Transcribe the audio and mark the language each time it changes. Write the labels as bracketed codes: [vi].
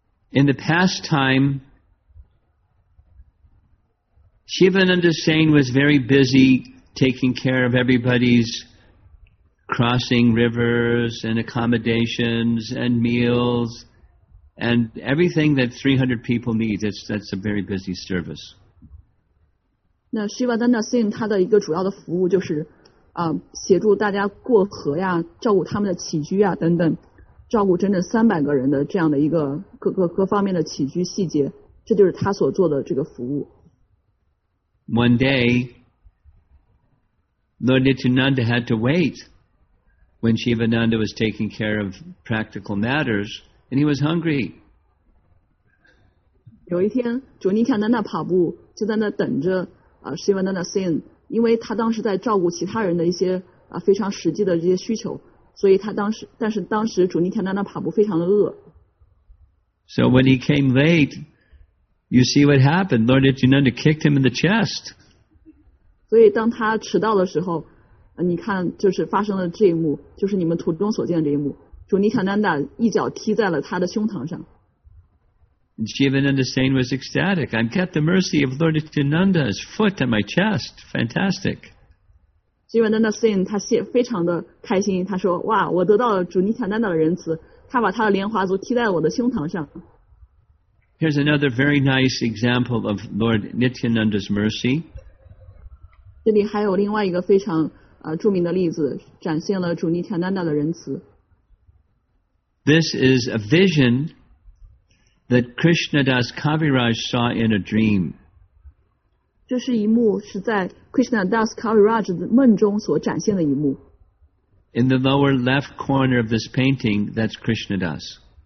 [en] In the past time, Shivananda Singh was very busy taking care of everybody's crossing rivers and accommodations and meals and everything that 300 people need. That's a very busy service. [zh] 那 Shivananda Singh 他的一个主要的服务就是、协助大家过河呀照顾他们的起居呀等等照顾整整三百个人的这样的一个各方面的起居细节，这就是他所做的这个服务。 [en] One day, Lord Nityananda had to wait when Shivananda was taking care of practical matters, and he was hungry. [zh] 有一天，主尼坦丹娜帕布就在那等着啊 ，Shivananda Singh， 因为他当时在照顾其他人的一些啊非常实际的这些需求。所以他当时，但是当时主尼坦丹娜帕布非常的饿。 [en] So when he came late, you see what happened. Lord Nityananda kicked him in the chest. [zh] 所以当他迟到的时候，你看就是发生了这一幕，就是你们图中所见的这一幕。主尼坦丹娜一脚踢在了他的胸膛上。 [en] Shivananda Singh was ecstatic. I'm at the mercy of Lord Nityananda's foot on my chest. Fantastic. [zh] Shivananda Singh 他非常的开心他说哇我得到了主尼坦丹娜的仁慈他把他的莲花足踢在我的胸膛上 [en] Here's another very nice example of Lord Nityananda's mercy [zh] 这里还有另外一个非常、著名的例子展现了主尼坦丹娜的仁慈 [en] This is a vision that Krishnadas Kaviraj saw in a dream [zh] 这是一幕是在 Krishna Das Kaviraj 的梦中所展现的一幕。 [en] In the lower left corner of this painting, that's Krishna Das.